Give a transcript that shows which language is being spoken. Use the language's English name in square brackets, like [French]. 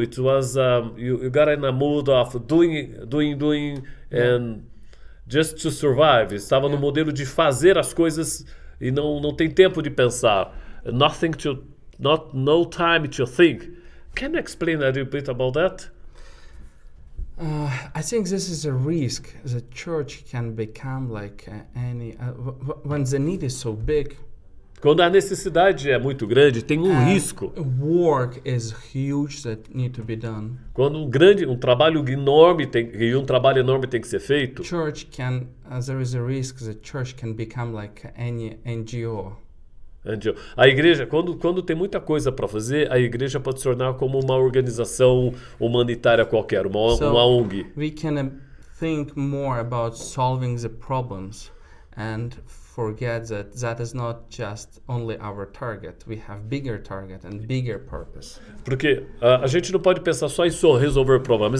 [English] It was you got in a mood of doing, and just to survive. [Portuguese] Estava no modelo de fazer as coisas e não tem tempo de pensar. [English] Nothing to, not no time to think. Can you explain a little bit about that? I think this is a risk. The church can become like any when the need is so big. [Portuguese] Quando a necessidade é muito grande, tem um risco. [English] Work is huge that need to be done. [Portuguese] Quando um trabalho enorme tem que ser feito. [English] Church can, there is a risk that church can become like any NGO. [Portuguese] A igreja, quando tem muita coisa para fazer, a igreja pode se tornar como uma organização humanitária qualquer, uma ONG. [English] We can think more about solving the problems and forget that that is not just only our target. We have bigger target and bigger purpose. [Portuguese] Porque a gente não pode pensar só em só resolver problemas.